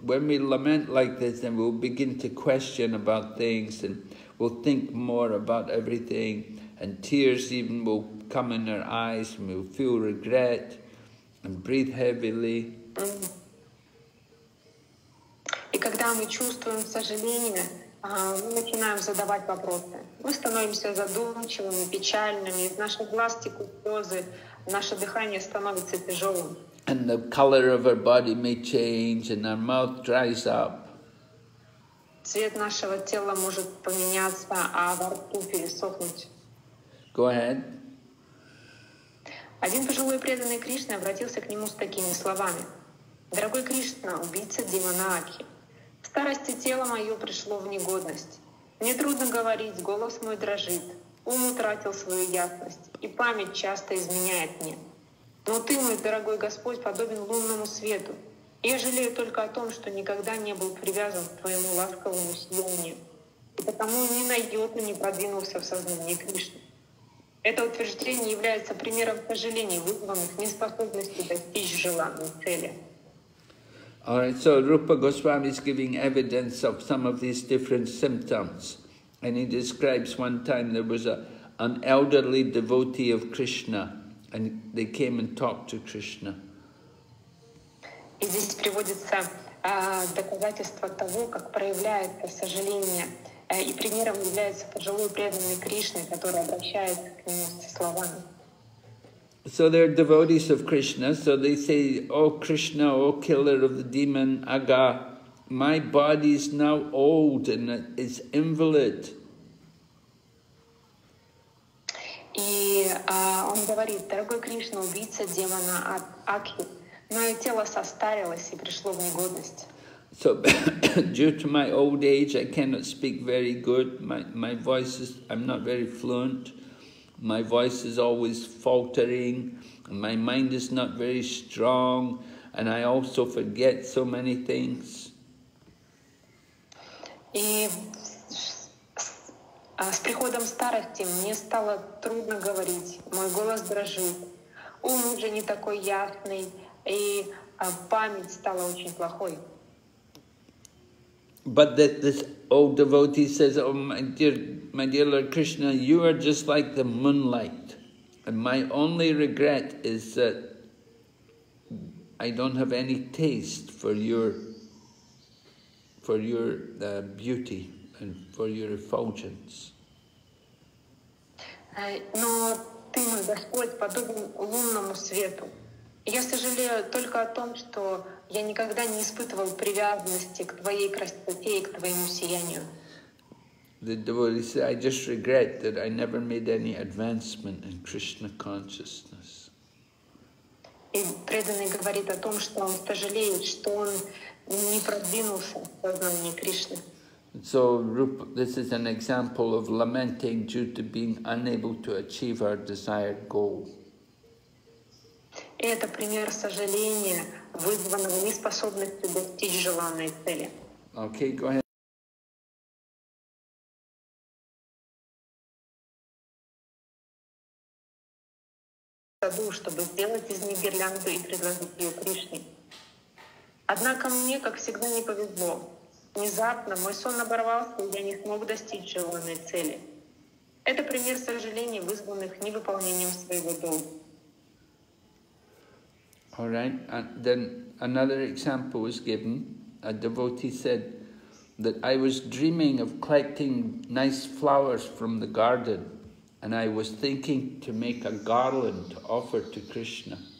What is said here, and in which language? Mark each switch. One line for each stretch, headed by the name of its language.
English: When we lament like this, then we'll begin to question about things, and we'll think more about everything, and tears even will come in our eyes, and we'll feel regret, and breathe heavily.
Russian: И когда мы чувствуем сожаление, мы начинаем задавать вопросы. Мы становимся задумчивыми, печальными, из наших глаз текут слезы, наше дыхание становится тяжелым.
English: And the color of our body may change, and our mouth dries up.
Russian: Цвет нашего тела может поменяться, а во рту пересохнуть.
English: Go ahead.
Russian: Один пожилой преданный Кришне обратился к нему с такими словами. «Дорогой Кришна, убийца Диманаки. В старости тело мое пришло в негодность. Мне трудно говорить, голос мой дрожит, ум утратил свою ясность, и память часто изменяет мне. Но ты, мой дорогой Господь, подобен лунному свету. Я жалею только о том, что никогда не был привязан к твоему ласковому сиянию, и потому ни на йоту не продвинулся в сознании Кришны. Это утверждение является примером сожалений, вызванных неспособностью достичь желанной цели».
English: All right, so Rupa Goswami is giving evidence of some of these different symptoms. And he describes one time there was an elderly devotee of Krishna, and they came and talked to Krishna.
Russian: И здесь приводится доказательство того, как проявляется сожаление. И примером является пожилой преданный Кришна, который обращается к нему со словами.
English: So they're devotees of Krishna, so they say, O Krishna, O killer of the demon Aga, my body is now old and it's invalid.
Russian: И он говорит, дорогой Кришна, убийца демона Аги, мое тело состарилось и пришло в негодность.
English: So due to my old age, I cannot speak very good. My voice is, I'm not very fluent. My voice is always faltering. My mind is not very strong. And I also forget so many things.
Russian: И с приходом старости мне стало трудно говорить. Мой голос дрожит. Ум уже не такой ясный. И память стала очень плохой.
English: But that this old devotee says, oh, my dear Lord Krishna, you are just like the moonlight. And my only regret is that I don't have any taste for your beauty and for your effulgence.
Russian: Но ты, мой Господь, подобен лунному свету. Я сожалею только о том, что я никогда не испытывал привязанности к твоей красоте и к твоему сиянию.
English: The devotee said, I just regret that I never made any advancement in Krishna consciousness.
Russian: И преданный говорит о том, что он сожалеет, что он не продвинулся в сознании Кришны.
English: So Rupa, this is an example of lamenting due to being unable to achieve our desired goal.
Russian: Это пример сожаления, вызванного неспособностью достичь желанной цели.
English: Okay, go ahead.
Russian: Саду, чтобы сделать из них гирлянду и предложить ее Кришне. Однако мне, как всегда, не повезло. Внезапно мой сон оборвался, и я не смог достичь желанной цели. Это пример сожаления, вызванных невыполнением своего долга.
English: All right, and then another example was given. A devotee said that I was dreaming of collecting nice flowers from the garden, and I was thinking to make a garland to offer to Krishna.